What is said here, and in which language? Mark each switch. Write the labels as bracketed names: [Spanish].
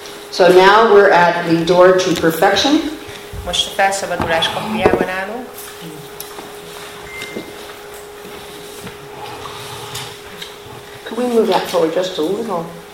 [English] So now we're at the door to perfection. [Hungarian] Most a felszabadulás kapujában állunk. [English] Can we move that forward just a little?